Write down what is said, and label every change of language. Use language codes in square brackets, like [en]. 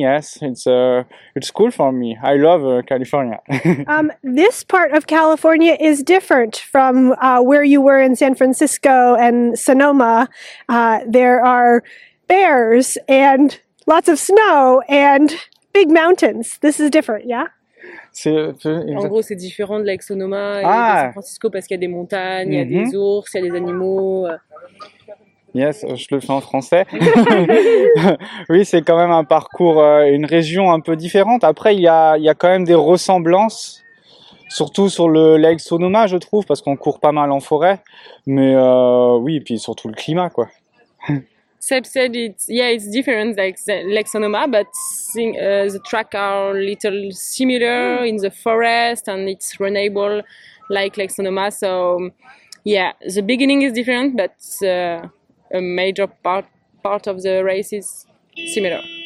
[en] Yes, it's cool for me. I love California. This part of California is different from where you were in San Francisco and Sonoma. There are bears and lots of snow and big mountains. This is different, yeah? [fr] En gros, c'est différent de Lake Sonoma et de San Francisco parce qu'il y a des montagnes, il y a des ours, il y a des animaux. Yes, je le fais en français. Oui, c'est quand même un parcours, une région un peu différente. Après, il y a quand même des ressemblances, surtout sur le Lake Sonoma, je trouve, parce qu'on court pas mal en forêt. Mais oui, et puis surtout le climat, quoi. [en] Seb said it's different like Sonoma, but the track are a little similar in the forest and it's runnable like Sonoma. So yeah, the beginning is different, but a major part of the race is similar.